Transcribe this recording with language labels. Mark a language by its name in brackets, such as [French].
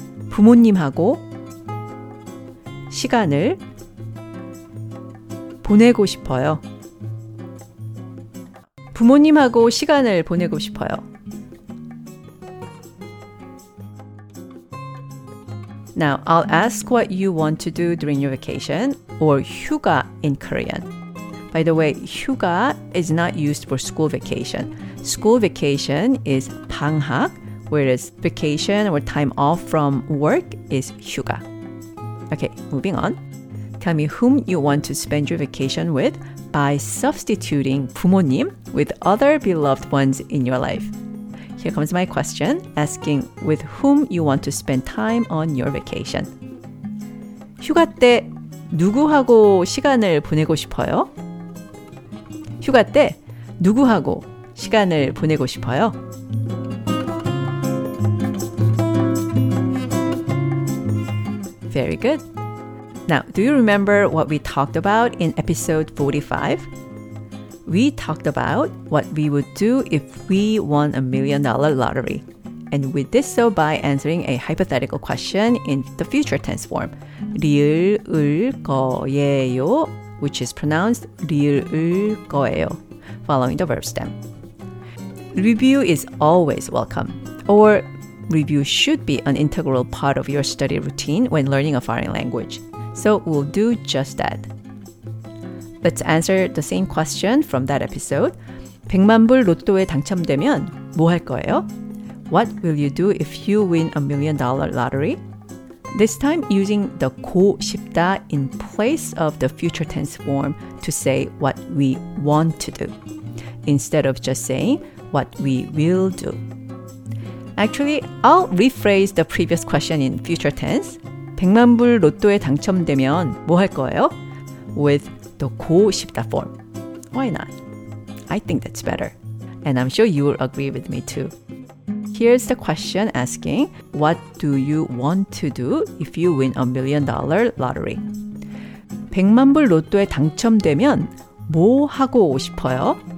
[Korean] 부모님하고 시간을 보내고 싶어요. 부모님하고 시간을 보내고 싶어요. [English] Now, I'll ask what you want to do during your vacation, or 휴가 in Korean. By the way, 휴가 is not used for school vacation. School vacation is 방학, whereas vacation or time off from work is 휴가. Okay, moving on. Tell me whom you want to spend your vacation with by substituting 부모님 with other beloved ones in your life. Here comes my question asking with whom you want to spend time on your vacation. [Korean] 휴가 때 누구하고 시간을 보내고 싶어요? 휴가 때 누구하고 시간을 보내고 싶어요? [English] Very good. Now, do you remember what we talked about in episode 45? We talked about what we would do if we won $1 million lottery. And we did so by answering a hypothetical question in the future tense form, [Korean] 리을 거예요, [English] which is pronounced 리을 거예요, following the verb stem. Review is always welcome, or review should be an integral part of your study routine when learning a foreign language. So we'll do just that. Let's answer the same question from that episode. [Korean] 100만 불 로또에 당첨되면 뭐 할 거예요? [English] What will you do if you win $1 million lottery? This time using the 고 싶다 in place of the future tense form to say what we want to do, instead of just saying what we will do. Actually, I'll rephrase the previous question in future tense. [Korean] 100만 불 로또에 당첨되면 뭐 할 거예요? [English] With the 고 싶다 form. Why not? I think that's better. And I'm sure you will agree with me too. Here's the question asking, what do you want to do if you win $1 million lottery? [Korean] 100만 불 로또에 당첨되면 뭐 하고 싶어요?